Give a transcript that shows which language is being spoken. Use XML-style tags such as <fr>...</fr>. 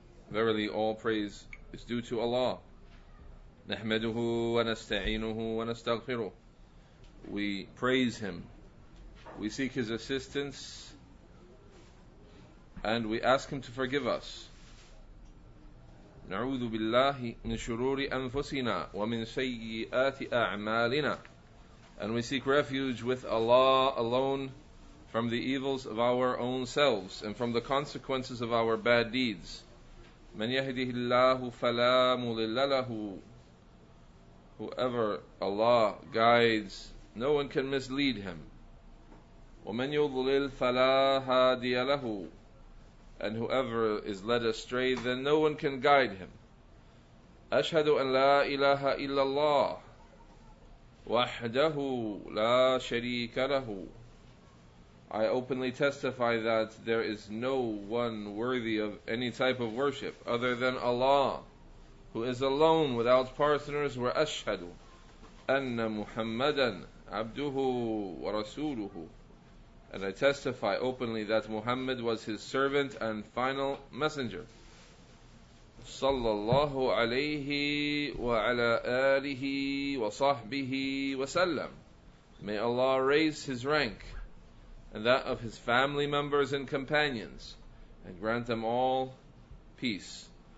<en>Verily all praise is due to Allah.</en> <ar>نحمده ونستعينه ونستغفره.</ar> <en>We praise Him. We seek His assistance. And we ask Him to forgive us.</en> <ar>نعوذ بالله من شرور أنفسنا ومن سيئات أعمالنا.</ar> <en>And we seek refuge with Allah alone from the evils of our own selves and from the consequences of our bad deeds.</en> <ar>من يهده الله فلا مضل له.</ar> <en>Whoever Allah guides, no one can mislead him.</en> <ar>ومن يضلل فلا هادي له.</ar> <en>And whoever is led astray, then no one can guide him.</en> <ar>أشهد أن لا إله إلا الله وحده لا شريك له.</ar> <en>I openly testify that there is no one worthy of any type of worship other than Allah, who is alone without partners.</en> <ar>وأشهد أن محمدًا عبده ورسوله.</ar> <en>And I testify openly that Muhammad was his servant and final messenger.</en> <ar>Sallallahu alayhi wa ala alihi wa sahbihi wa sallam.</ar> <en>May Allah raise his rank and that of his family members and companions and grant them all peace.</en>